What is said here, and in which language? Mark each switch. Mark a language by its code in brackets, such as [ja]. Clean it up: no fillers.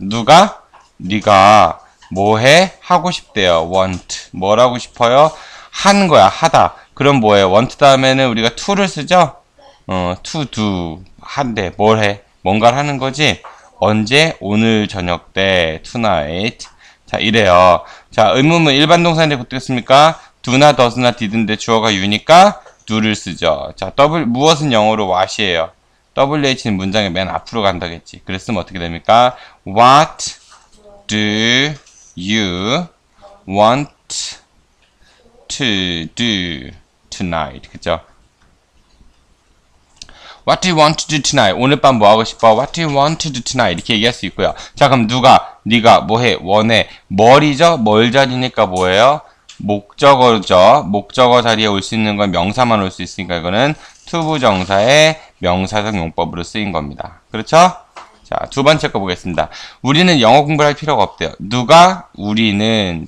[ko] 누가? 네가 뭐 해? 하고 싶대요. want. 뭘 하고 싶어요? 하는 거야. 하다. 그럼 뭐 해? want 다음에는 우리가 to를 쓰죠? [en] to do. [ko] 한대. 뭘 해? 뭔가를 하는 거지? 언제? 오늘 저녁 때. tonight. 자, 이래요. 자, 의문문 일반 동사인데 어떻겠습니까? [en] do not, does not, didn't [ko] 인데 주어가 you니까 do를 쓰죠. 자, 무엇은 영어로 what이에요? WH는 문장의 맨 앞으로 간다겠지. 그랬으면 어떻게 됩니까? [en] What do you want to do tonight? [ko] 그죠? [en] What do you want to do tonight? [ko] 오늘 밤뭐 하고 싶어? [en] What do you want to do tonight? [ko] 이렇게 얘기할 수 있고요. 자, 그럼 누가, 네가 뭐 해? 원해. 뭘이죠? 뭘 자리니까 뭐예요? 목적어죠. 목적어 자리에 올수 있는 건 명사만 올수 있으니까 이거는 to부 정사의 명사적 용법으로 쓰인 겁니다. 그렇죠? 자, 두 번째 거 보겠습니다. 우리는 영어 공부할 필요가 없대요. 누가? 우리는.